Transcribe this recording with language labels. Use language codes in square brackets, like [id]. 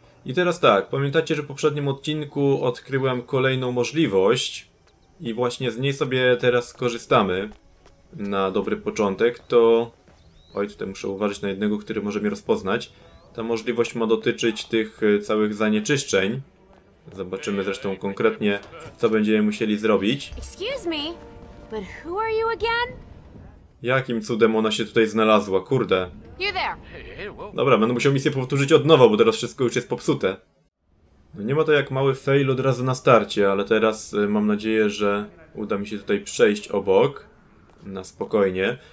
[pl] I teraz tak, pamiętacie, że w poprzednim odcinku odkryłem kolejną możliwość i właśnie z niej sobie teraz skorzystamy na dobry początek. To... Oj, tutaj muszę uważać na jednego, który może mnie rozpoznać. Ta możliwość ma dotyczyć tych całych zanieczyszczeń. Zobaczymy zresztą konkretnie, co będziemy musieli zrobić. [en] Excuse me, but who are you again? [pl] Jakim cudem ona się tutaj znalazła, kurde. Dobra, będę musiał misję powtórzyć od nowa, bo teraz wszystko już jest popsute. No nie ma to jak mały fail od razu na starcie, ale teraz mam nadzieję, że uda mi się tutaj przejść obok. Na spokojnie.